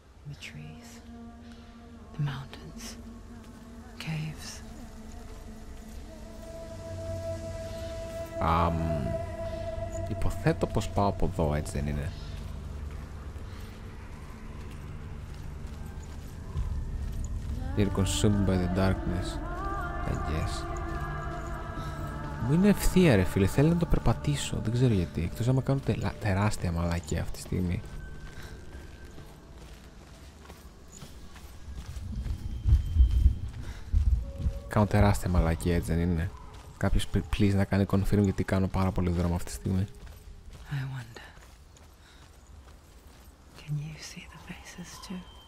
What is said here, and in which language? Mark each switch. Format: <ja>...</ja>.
<en>The trees, the mountains, caves.</en> <el>Υποθέτω πως πάω από εδώ, έτσι δεν είναι?</el> <en>You're consumed by the darkness, I guess.</en> <el>Μου είναι ευθεία ρε φίλε, θέλω να το περπατήσω, δεν ξέρω γιατί. Εκτός άμα κάνω τεράστια μαλάκια αυτή τη στιγμή. Κάνω τεράστια μαλάκια, έτσι δεν είναι? Κάποιος please να κάνει confirm, γιατί κάνω πάρα πολύ δρόμο αυτή τη στιγμή.</el> <en>I wonder, can you see the faces too?</en>